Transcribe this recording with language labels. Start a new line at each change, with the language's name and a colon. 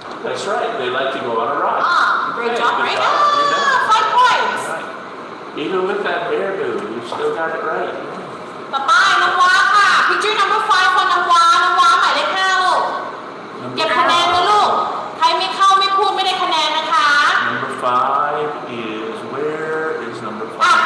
English: That's right, they like to go on a ride. Great job. 5 points. Right. Even with that bear boo, you still got it right. Bye-bye, no more. Picture number 5 for Nawa
Thai: หมายเลข 5 ลูกเก็บคะแนนนะลูกใครไม่เข้าไม่พูดไม่ได้คะแนนนะคะ
English: Number 5 is where is number 5